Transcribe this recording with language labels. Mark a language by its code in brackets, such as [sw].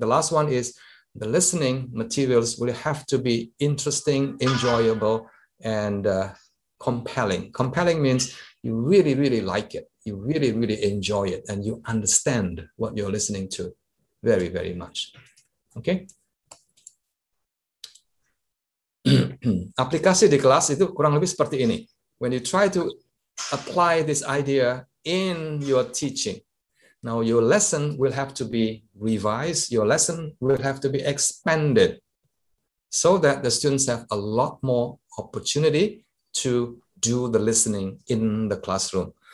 [en] The last one is the listening materials will have to be interesting, enjoyable, and compelling. Compelling means you really, really like it. You really, really enjoy it. And you understand what you're listening to very, very much. Okay? [id] Aplikasi di kelas itu kurang lebih seperti ini. [en] When you try to apply this idea in your teaching, now your lesson will have to be revised, your lesson will have to be expanded so that the students have a lot more opportunity to do the listening in the classroom.